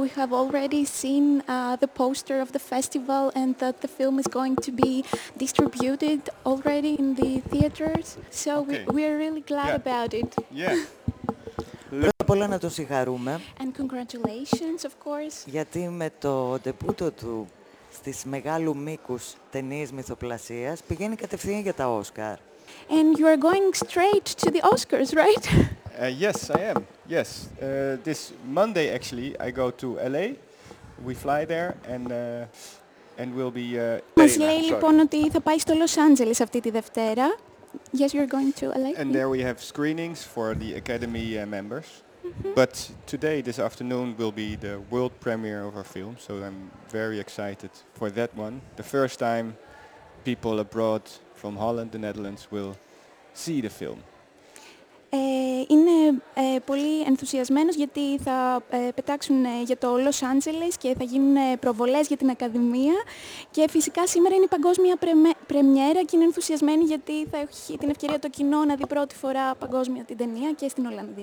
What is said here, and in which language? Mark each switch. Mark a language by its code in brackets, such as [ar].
[en] We have already seen the poster of the festival and that the film is going to be distributed already in the theaters. So okay. we're really glad yeah. about it. Yeah. [el] Πρώτα απ' όλα να το συγχαρούμε. [en] And congratulations, of course. [el] Γιατί με το ντεμπούτο του στις μεγάλου μήκους ταινίες μυθοπλασίας πηγαίνει κατευθείαν για τα Όσκαρ. [en] And you are going straight to the Oscars, right? Yes, I am. Yes. This Monday, actually, I go to LA. We fly there and we'll be... [el] Μας λέει λοιπόν ότι θα πάει στο Λος Άντζελες αυτή τη Δευτέρα. [en] Yes, you're going to LA. And there we have screenings for the Academy members. Mm-hmm. But today, this afternoon, will be the world premiere of our film. So I'm very excited for that one. The first time people abroad from Holland, the Netherlands, will see the film. [el] Είναι πολύ ενθουσιασμένος γιατί θα πετάξουν για το Los Angeles και θα γίνουν προβολές για την Ακαδημία. Και φυσικά σήμερα είναι η παγκόσμια πρεμιέρα και είναι ενθουσιασμένη γιατί θα έχει την ευκαιρία το κοινό να δει πρώτη φορά παγκόσμια την ταινία και στην Ολλανδία.